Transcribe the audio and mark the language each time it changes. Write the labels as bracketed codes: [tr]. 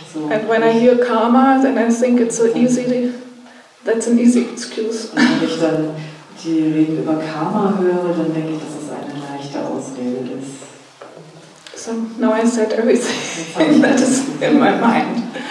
[en] And when I hear karma, then I think it's so easy, that's an easy excuse. [de] Und wenn ich dann die Reden über Karma höre, dann denke ich, dass es eine leichte Ausrede ist. [en] So now I said everything that is in my mind.